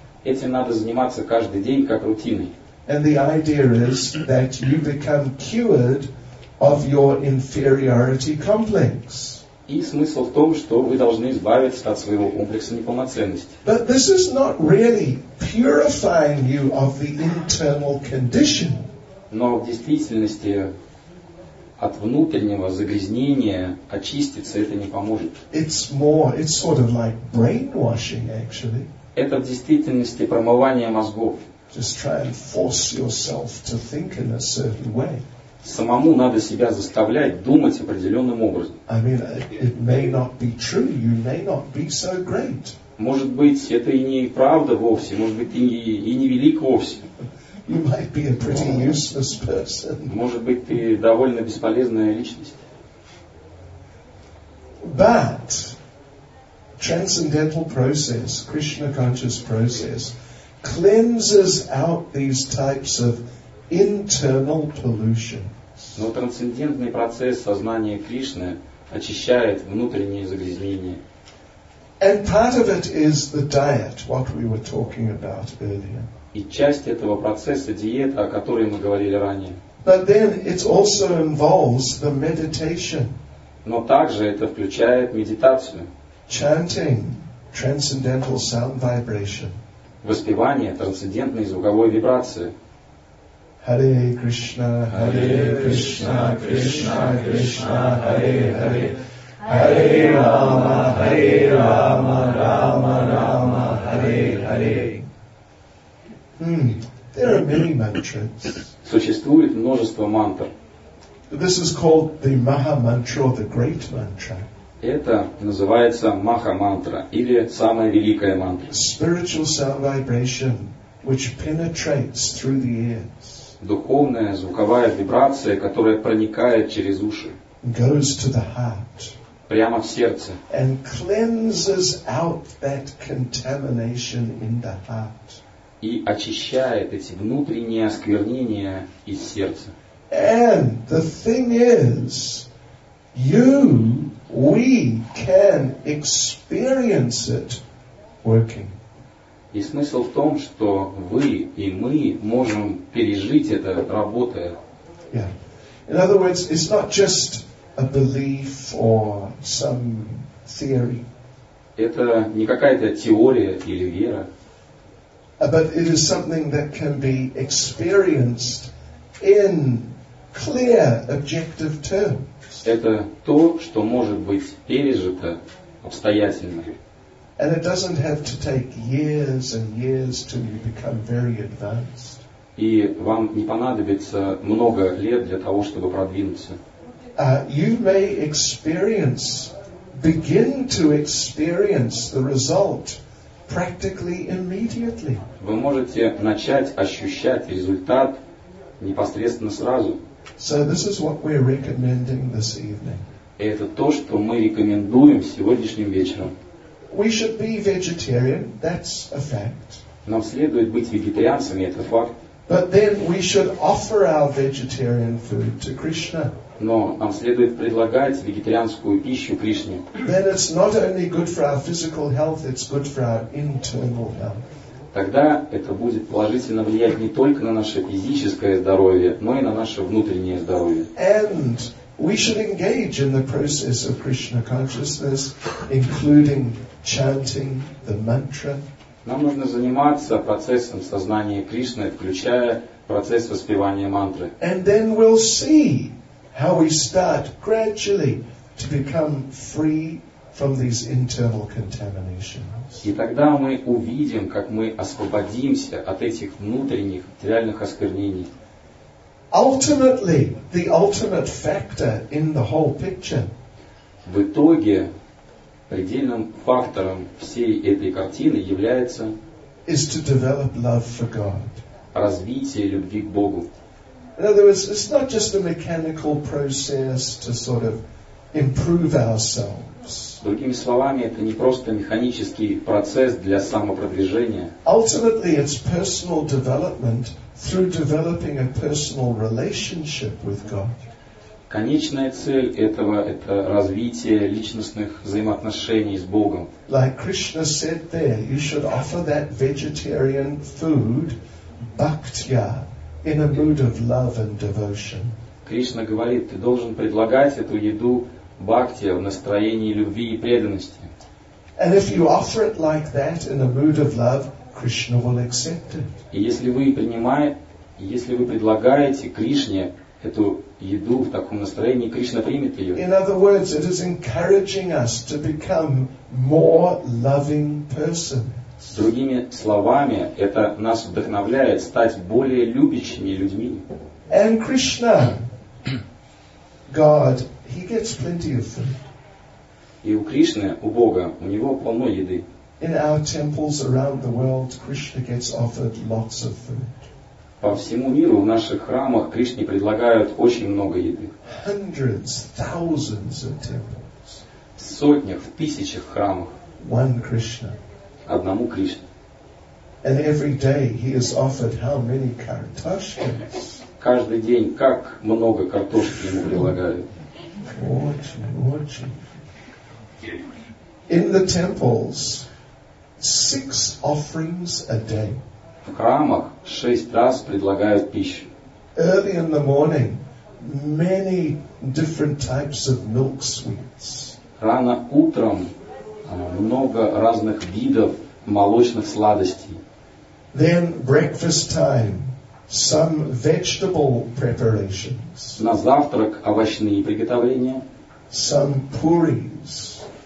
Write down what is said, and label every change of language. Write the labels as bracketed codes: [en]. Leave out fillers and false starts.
[ru] Этим надо заниматься каждый день как рутиной. [en] And the idea is that you become cured of your inferiority complex. [ru] И смысл в том, что вы должны избавиться от своего комплекса неполноценности. [en] But this is not really purifying you of the internal condition. [ru] Но в действительности от внутреннего загрязнения очиститься это не поможет. [en] It's more, it's sort of like brainwashing, actually. [ru] Это в действительности промывание мозгов. [en] Just try and force yourself to think in a certain way. [ru] Самому надо себя заставлять думать определенным образом. [en] I mean, it may not be true. You may not be so great. [ru] Может быть, это и не правда вовсе. Может быть, ты и не велик вовсе. [en] You might be a pretty useless person. [ru] Может быть, ты довольно бесполезная личность. [en] But transcendental process, Krishna conscious process, cleanses out these types of internal pollution. [ru] Но трансцендентный процесс сознания Кришны очищает внутренние загрязнения. [en] And part of it is the diet, what we were talking about earlier. [ru] И часть этого процесса диета, о которой мы говорили ранее. [en] But then it also involves the meditation. [ru] Но также это включает медитацию. [en] Chanting transcendental sound vibration. [ru] Воспевание трансцендентной звуковой вибрации. [sa] Hare Krishna, Hare Krishna, Krishna Krishna, Hare Hare. Hare Rama, Hare Rama, Rama Rama, Hare Hare. [en] There are many mantras. [ru] Существует множество мантр. [en] This is called the Maha Mantra or the Great Mantra. [ru] Это называется Маха Мантра или самая великая мантра. [en] Spiritual sound vibration which penetrates through the ears. [ru] Духовная звуковая вибрация, которая проникает через уши. [en] Goes to the heart. [ru] Прямо в сердце. [en] And cleanses out that contamination in the heart. [ru] И очищает эти внутренние осквернения из сердца. [en] And the thing is, you, we can experience it working. [ru] И смысл в том, что вы и мы можем пережить это, работая. [en] Yeah. In other words, it's not just a belief or some theory. [ru] Это не какая-то теория или вера. [en] But it is something that can be experienced in clear, objective terms. [ru] Это то, что может быть пережито обстоятельно. [en] And it doesn't have to take years and years till you become very advanced. [ru] И вам не понадобится много лет для того, чтобы продвинуться. [en] You may experience, begin to experience the result practically immediately. [ru] Вы можете начать ощущать результат непосредственно сразу. [en] So this is what we're recommending this evening. [ru] И это то, что мы рекомендуем сегодняшним вечером. [en] We should be vegetarian, that's a fact. [ru] Нам следует быть вегетарианцами, это факт. [en] But then we should offer our vegetarian food to Krishna. [ru] Но нам следует предлагать вегетарианскую пищу Кришне. [en] Then it's not only good for our physical health, it's good for our internal health. [ru] Тогда это будет положительно влиять не только на наше физическое здоровье, но и на наше внутреннее здоровье. [en] And we should engage in the process of Krishna consciousness, including chanting the mantra. [ru] Нам нужно заниматься процессом сознания Кришны, включая процесс воспевания мантры. [en] And then we'll see how we start gradually to become free from these internal contaminations. [ru] И тогда мы увидим, как мы освободимся от этих внутренних материальных осквернений. [en] Ultimately, the ultimate factor in the whole picture. [ru] В итоге предельным фактором всей этой картины является [en] is to develop love for God. [ru] Развитие любви к Богу. [en] In other words, it's not just a mechanical process to sort of improve ourselves. [ru] Другими словами, это не просто механический процесс для самопродвижения. [en] Ultimately, it's personal development through developing a personal relationship with God. [ru] Конечная цель этого – это развитие личностных взаимоотношений с Богом. [en] Like Krishna said there, you should offer that vegetarian food, bhaktya, in a mood of love and devotion. [ru] Кришна говорит, ты должен предлагать эту еду бхакти, в настроении любви и преданности. [en] And if you offer it like that in a mood of love, Krishna will accept it. [ru] И если вы принимаете, если вы предлагаете Кришне эту еду в таком настроении, Кришна примет ее. [en] In other words, it is encouraging us to become more loving persons. [ru] Другими словами, это нас вдохновляет стать более любящими людьми. [en] And Krishna, God, He gets plenty of food. [ru] И у Кришны, у Бога, у него полно еды. [en] In our temples around the world, Krishna gets offered lots of food. [ru] По всему миру, в наших храмах Кришне предлагают очень много еды. [en] Hundreds, thousands of temples. [ru] В сотнях, в тысячах храмах. [en] One Krishna. [ru] Одному Кришне. [en] And every day he is offered how many kartoshkas? [ru] Каждый день как много картошки ему предлагают. Очень, очень. [en] In the temples, 6 offerings a day. [ru] В храмах 6 раз предлагают пищу. [en] Early in the morning, many different types of milk sweets. [ru] Рано утром много разных видов молочных сладостей. [en] Then breakfast time, some vegetable preparations. [ru] На завтрак овощные приготовления. [en] Some puris.